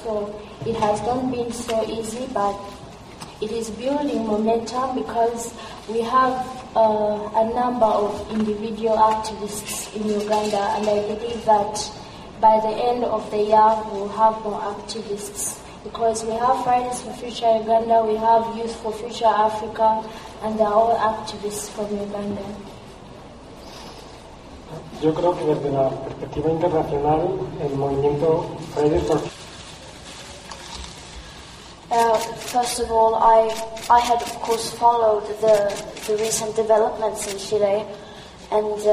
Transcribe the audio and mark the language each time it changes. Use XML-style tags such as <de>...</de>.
<en>So it has not been so easy, but it is building momentum because we have a number of individual activists in Uganda, and I believe that by the end of the year we'll have more activists because we have Fridays for Future Uganda, we have Youth for Future Africa, and they're all activists from Uganda.</en> <es>Yo creo que desde la perspectiva internacional, el movimiento Fridays for Future.</es> <en>First of all, I had of course followed the recent developments in Chile, and</en>